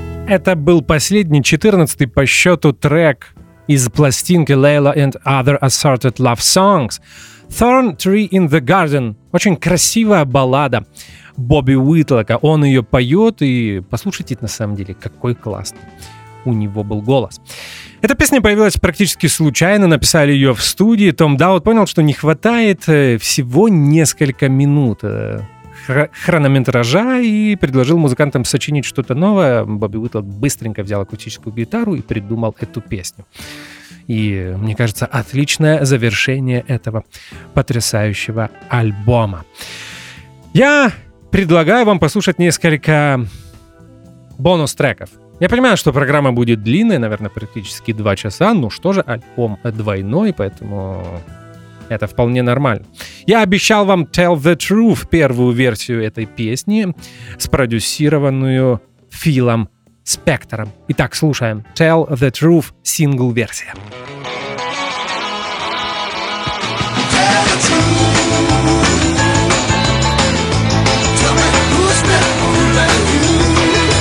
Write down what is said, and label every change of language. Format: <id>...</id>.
<ru>это был последний, 14-й по счету трек из пластинки «Layla and Other Assorted Love Songs» «Thorn Tree in the Garden». Очень красивая баллада Бобби Уитлока. Он ее поет, и послушайте, на самом деле, какой классный у него был голос. Эта песня появилась практически случайно, написали ее в студии. Том Даут понял, что не хватает всего несколько минут хронометража и предложил музыкантам сочинить что-то новое. Бобби Уитлок быстренько взял акустическую гитару и придумал эту песню. И, мне кажется, отличное завершение этого потрясающего альбома. Я предлагаю вам послушать несколько бонус-треков. Я понимаю, что программа будет длинная, наверное, практически 2 часа. Ну что же, альбом двойной, поэтому это вполне нормально. Я обещал вам «Tell the Truth», первую версию этой песни, спродюсированную Филом Спектором. Итак, слушаем «Tell the Truth» сингл-версия.</ru> <en>Tell the truth. Tell me who's been fooling you.</en>